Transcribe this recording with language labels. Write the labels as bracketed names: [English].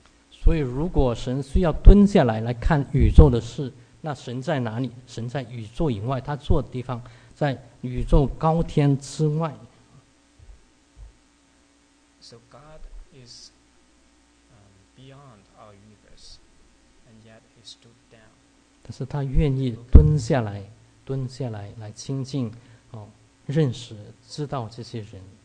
[Chinese] 所以如果神需要蹲下来来看宇宙的事，那神在哪里？神在宇宙以外，他坐的地方在宇宙高天之外。 [English] So God is beyond our universe, and yet he stood down. [Chinese] 但是他愿意蹲下来，蹲下来来亲近认识知道这些人。